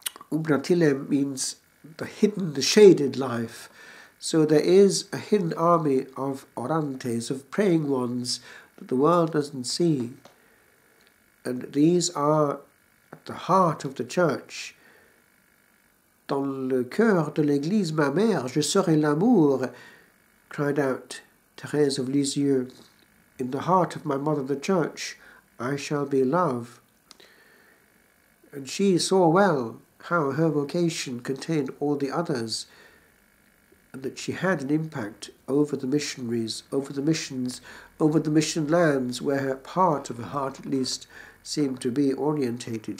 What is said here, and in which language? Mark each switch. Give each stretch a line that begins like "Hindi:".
English: Umbratilem means the hidden, the shaded life. So there is a hidden army of orantes, of praying ones, that the world doesn't see. And these are at the heart of the church.
French: Dans le cœur de l'église, ma mère, je serai l'amour,
English: cried out
French: Thérèse of Lisieux.
English: In the heart of my mother, the church, I shall be love. And she saw well how her vocation contained all the others, and that she had an impact over the missionaries, over the missions, over the mission lands, where her part of her heart, at least, seemed to be orientated.